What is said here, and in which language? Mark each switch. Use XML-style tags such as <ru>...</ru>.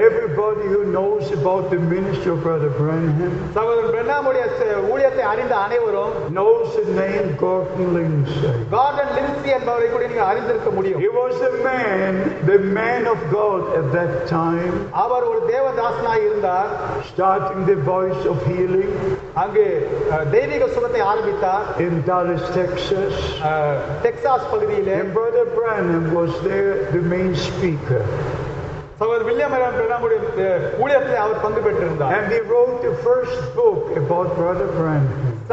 <en>Everybody who knows about the ministry of Brother Branham.</en> <ta>சகோதரர் பிரணாமுடைய ஊழியத்தை அறிந்த அனைவரும்</ta> <en>knows the name Gordon Lindsay.</en> <ta>Gordon Lindsay என்பவரை கூட நீங்க அறிந்திருக்க முடியும்.</ta> <en>He was a man, the man of God at that time.</en> <ta>அவர் ஒரு தேவதாசனாக இருந்தார்.</ta> <en>Starting the voice of healing.</en> <ta>அங்கே தெய்வீக சுகத்தை ஆரம்பித்தார்.</ta> <en>In Dallas, Texas.</en> <ta>டெக்சாஸ் பகுதியில்.</ta> <en>And Brother Branham was there, the main speaker.</en> <ta>சகோதரர் வில்லியம் அரியன் பிரணாமுடைய ஊழியத்தில் அவர் பங்கு பெற்றிருந்தார்.</ta> <en>And he wrote the first book about Brother Branham.</en>